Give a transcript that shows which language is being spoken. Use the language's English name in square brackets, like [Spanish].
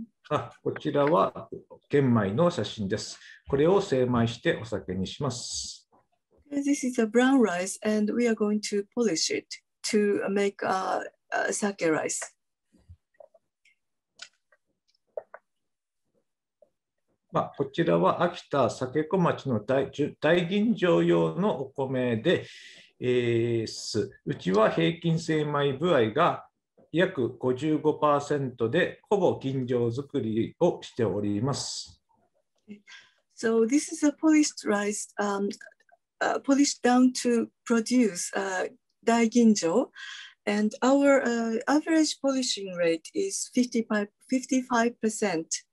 [Japanese] あ、こちらは玄米の写真です。これを精米してお酒にします。 [English] This is a brown rice and we are going to polish it to make a sake rice. [Japanese] まあ、こちらは秋田酒小町の 大吟醸用のお米で、す。うちは平均精米歩合が約 55% でほぼ吟醸作りをしております。 [English] So this is a polished rice, polished down to produce 大吟醸 and our average polishing rate is 55%.